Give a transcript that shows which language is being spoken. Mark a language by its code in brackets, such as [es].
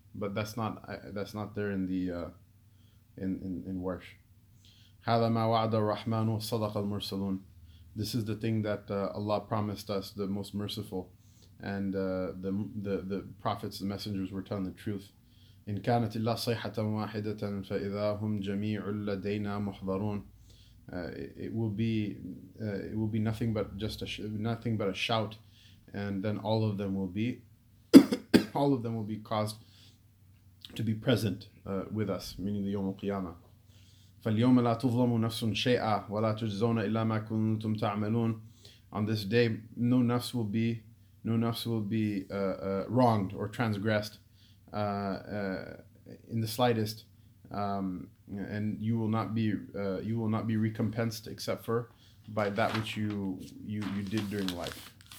[en] But that's not there in warsh. [ar] Hada ma wa'ada rahmanu sadaq al mursalun. [en] This is the thing that Allah promised us, the most merciful, and the prophets, the messengers, were telling the truth. [ar] إن كانت إلا صيحة واحدة فإذا هم جميع لدينا محضرون. [en] It will be nothing but a shout, and then all of them will be caused to be present with us, meaning the يوم القيامة. [ar] فاليوم لا تظلم نفس شيئا ولا تجزون إلا ما كنتم تعملون. [en] On this day, no nafs will be wronged or transgressed in the slightest, and you will not be recompensed except for by that which you did during life.